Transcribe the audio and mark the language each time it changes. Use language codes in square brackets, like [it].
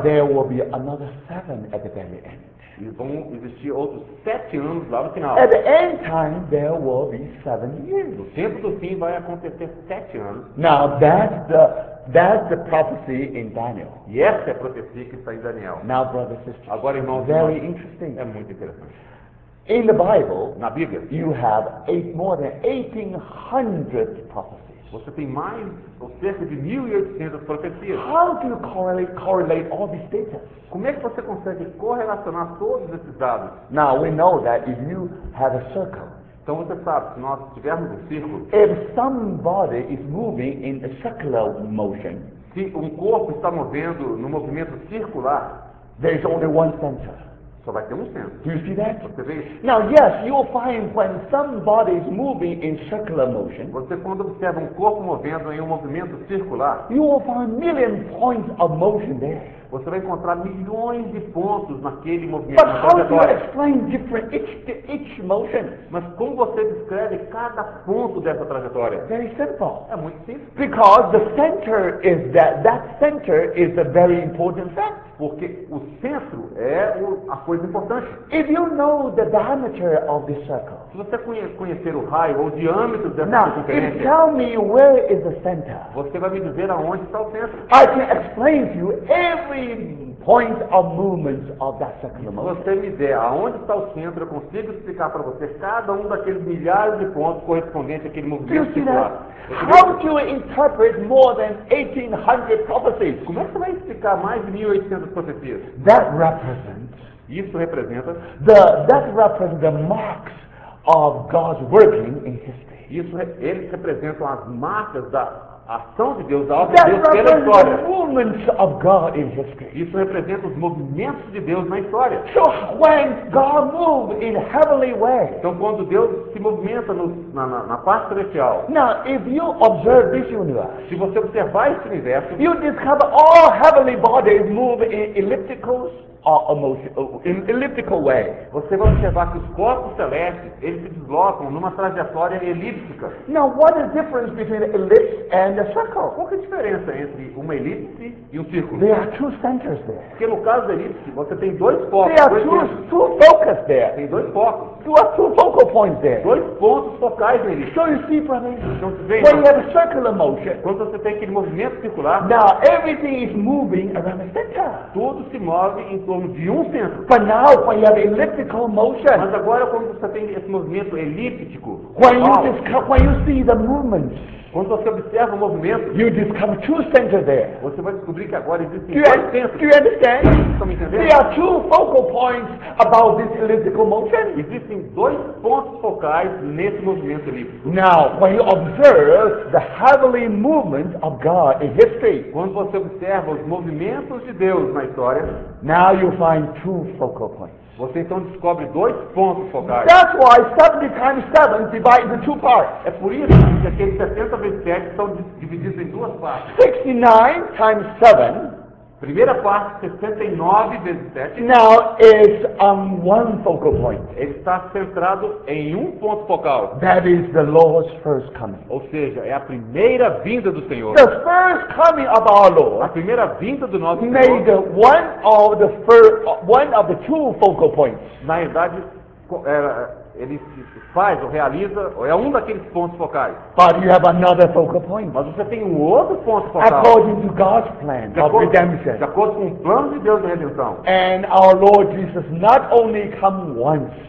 [en] there will be another 7 at the very end. [pt] E vão existir outros 7 anos lá no final. [en] At the end time, there will be 7 years. [pt] No tempo do fim vai acontecer 7 anos. [en] Now that's the prophecy in Daniel. [pt] E essa é a profecia que está em Daniel. [en] Now, brothers and sisters, [pt] agora, irmãos, [en] very interesting. [pt] É muito interessante. [en] In the Bible, [pt] na Bíblia, [en] you have more than 1,800 prophecies. [pt] Você tem mais cerca de 1,800 profecias. [en] How do you correlate all these data? [pt] Como é que você consegue correlacionar todos esses dados? [en] Now we know that if you have a circle. [pt] Então você sabe, se nós tivermos um círculo. [en] If somebody is moving in a circular motion. [pt] Se um corpo está movendo no movimento circular. [en] There is only one center. [pt] Só vai ter um centro. [en] Do you see that? [pt] Você vê isso? [en] Now, yes, you'll find when somebody is moving in circular motion. [pt] Você quando observa um corpo movendo em um movimento circular. [en] You will find million points of motion there. [pt] você vai encontrar milhões de pontos naquele movimento. [en] But how do you explain different each motion? [pt] Mas como você descreve cada ponto dessa trajetória? [en] Very simple. [pt] É muito simples. [en] Because the center is that center is a very important fact. [pt] Porque o centro é a coisa importante. [en] If you know the diameter of the circle. [pt] Se você conhecer o raio ou o diâmetro dessa [en] circunferência. Now, tell me where is the center. [pt] Você vai me dizer aonde está o centro. [en] I can explain to you every point of movement of that circular motion. [pt] Se você me der aonde está o centro, eu consigo explicar para você cada um daqueles milhares de pontos correspondentes àquele movimento circular. [en] How do you interpret more than 1800 prophecies? [pt] Como é que você vai explicar mais de 1800 profecias? [en] That represents. [pt] Isso representa. [en] That represents the marks of God's working in history. [pt] Isso eles representam as marcas da ação de Deus, da obra de Deus pela história. [en] The movements of God in history. [pt] Isso representa os movimentos de Deus na história. [en] So when God moves in heavenly way. [pt] Então quando Deus se movimenta na parte celestial. [en] Now if you observe this universe. [pt] Se você observar esse universo. [en] You discover all heavenly bodies move in ellipticals. In elliptical way. [pt] Você vai observar que os corpos celestes eles se deslocam numa trajetória elíptica. [en] Now, what is the difference between an ellipse and a circle? [pt] Qual que é a diferença entre uma elipse e um círculo? [en] There are two centers there. [pt] Porque no caso da elipse você tem dois focos. [en] There are two focus there. [pt] Tem dois focos. [en] There are two focal points there. [pt] Dois pontos focais na elipse. [en] So you see, brother. [pt] Então se vê. [en] When you have a circular motion. [pt] Quando você tem aquele movimento circular. [en] Now everything is moving around the center. [pt] Tudo se move em torno de um centro. [en] But now, when you have elliptical motion, [pt] mas agora quando você tem esse movimento elíptico, [en] when you see the movement, [pt] quando você observa o movimento, [en] you discover two centers there. [pt] Você vai descobrir que agora existem dois centros. [en] Do you understand? There are two focal points about this elliptical motion. [pt] Existem dois pontos focais nesse movimento elíptico. [en] Now, when you observe the heavenly movement of God in history, [pt] quando você observa os movimentos de Deus na história, [en] now you find two focal points. [pt] Você então descobre dois pontos focais. [en] That's why 70 times 7 divide into two parts. [pt] É por isso que aqueles 70 vezes 7 são divididos em duas partes. [en] 69 times 7. [pt] Primeira parte, 69 vezes 7. [en] Now it's on one focal point. [pt] Ele está centrado em um ponto focal. [en] That is the Lord's first coming. [pt] Ou seja, é a primeira vinda do Senhor. [en] The first coming of our Lord. [pt] A primeira vinda do nosso Senhor. [en] Made one of the two focal points. [pt] Na verdade, ele faz ou realiza, ou é um daqueles pontos focais. [en] But you have another focal point. [pt] Mas você tem um outro ponto focal. [en] According to God's plan of redemption. [pt] De acordo com o plano de Deus de redenção. [en] And our Lord Jesus not only come once.